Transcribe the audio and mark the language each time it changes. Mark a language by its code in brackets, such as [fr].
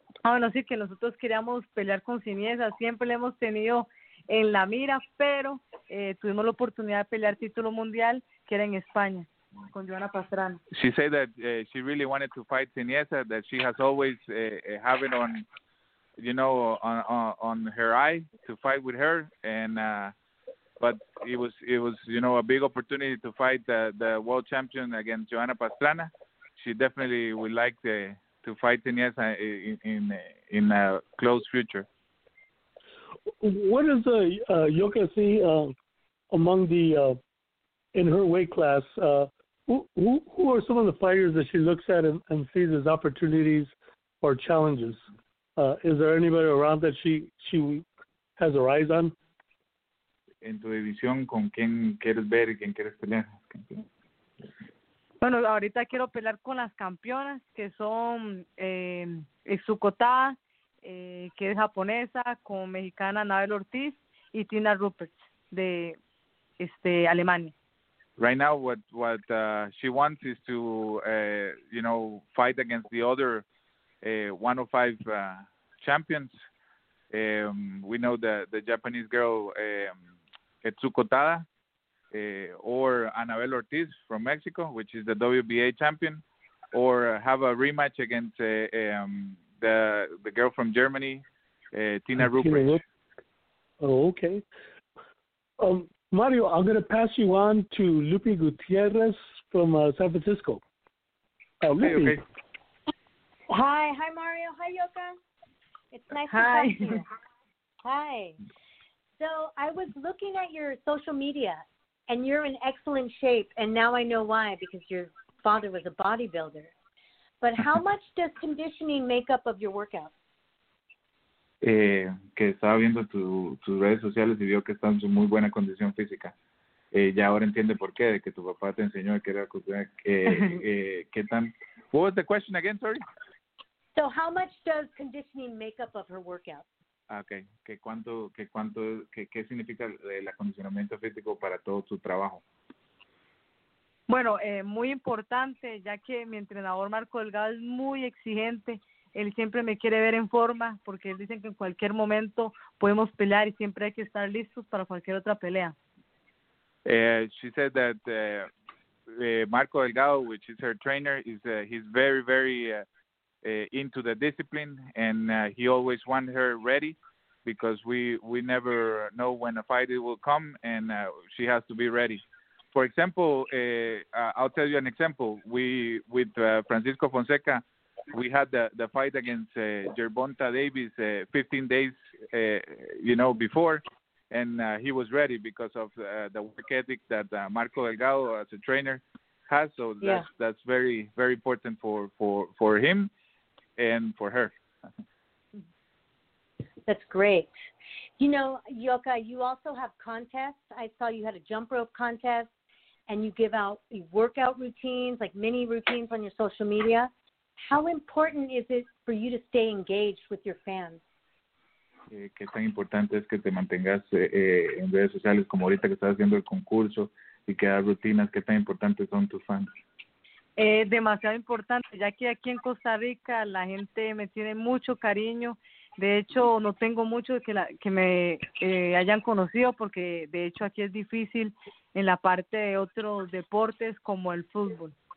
[es] Ah, bueno, sí, que nosotros queríamos pelear con Sunisa. Siempre le hemos tenido en la mira, pero tuvimos la oportunidad de pelear título mundial, que era en España, con Joana Pastrana. [en] She said that she really wanted to fight Sunisa, that she has always have it on. You know, on her eye to fight with her, but it was you know, a big opportunity to fight the world champion against Joanna Pastrana. She definitely would like to fight Sunisa in a close future. What is the Yoka see among the in her weight class? Who are some of the fighters that she looks at and sees as opportunities or challenges? Is there anybody around that she has her eyes on? [es] En tu división, ¿con quién quieres ver y quién quieres pelear? Bueno, ahorita quiero pelear con las campeonas, que son Sukota, que es japonesa, con mexicana Nabel Ortiz y Tina Rupert de Alemania. [en] Right now, what she wants is to you know, fight against the other 105 champions. We know the Japanese girl Etsuko Tada or Anabel Ortiz from Mexico, which is the WBA champion, or have a rematch against the girl from Germany, Tina Rupert. Oh, okay. Mario, I'm going to pass you on to Lupi Gutierrez from San Francisco. Lupi. Hey, okay. Hi, Mario. Hi, Yoka. It's nice to talk to you. Hi. So I was looking at your social media, and you're in excellent shape, and now I know why, because your father was a bodybuilder. But how much does conditioning make up of your workout? [es] Que estaba viendo tus redes sociales y vio que estás en muy buena condición física. Ya ahora entiende por qué, de que tu papá te enseñó a querer acostumbrar. ¿Qué tan? [en] What was the question again, sorry? So how much does conditioning make up of her workout? Okay. [es] ¿Qué significa el acondicionamiento físico para todo tu trabajo? Bueno, muy importante, ya que mi entrenador Marco Delgado es muy exigente. Él siempre me quiere ver en forma, porque él dice que en cualquier momento podemos pelear y siempre hay que estar listos para cualquier otra pelea. [en] She said that Marco Delgado, which is her trainer, he's very, very into the discipline, and he always wants her ready, because we never know when a fight will come, and she has to be ready. For example, I'll tell you an example. We, with Francisco Fonseca, we had the fight against Gervonta Davis 15 days, you know, before, and he was ready because of the work ethic that Marco Delgado as a trainer has. So that's very, very important for him and for her. That's great. You know, Yoka, you also have contests. I saw you had a jump rope contest, and you give out workout routines, like mini routines on your social media. How important is it for you to stay engaged with your fans? [es] Qué tan importante es que te mantengas en redes sociales, como ahorita que estás haciendo el concurso y que hagas rutinas, qué tan importantes son tus fans? Demasiado importante, ya que aquí en Costa Rica la gente me tiene mucho cariño. De hecho, no tengo mucho que me hayan conocido, porque de hecho aquí es difícil en la parte de otros deportes como el fútbol.